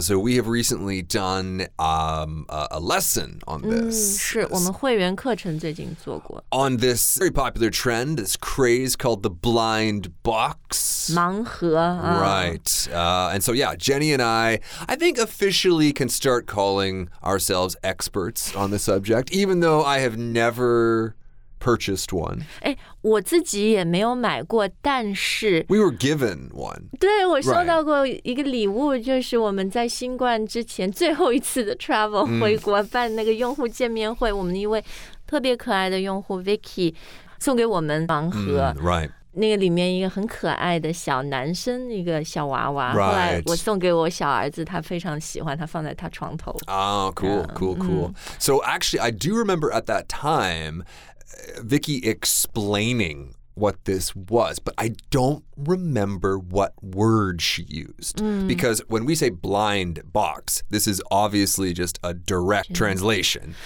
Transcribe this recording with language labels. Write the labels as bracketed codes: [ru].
[en] So we have recently done a lesson on this. [zh] 是我们会员课程最近做过。 [en] On this very popular trend, this craze called the blind box. [zh] 盲盒。 [en] Right. And so, yeah, Jenny and I think officially can start calling ourselves experts on the subject, even though I have never... purchased one. [zh] 哎，我自己也没有买过，但是 [en] we were given one. [zh] 对，我收到过一个礼物，就是我们在新冠之前最后一次的 travel 回国办那个用户见面会，我们一位特别可爱的用户 Vicky 送给我们盲盒。 [en] Right. [zh] 那个里面一个很可爱的小男生，一个小娃娃。 [en] Right. [zh] 后来我送给我小儿子，他非常喜欢，他放在他床头。 [en] Oh, cool. So actually, I do remember at that time, Vicky explaining what this was, but I don't remember what word she used. Because when we say blind box, this is obviously just a direct translation.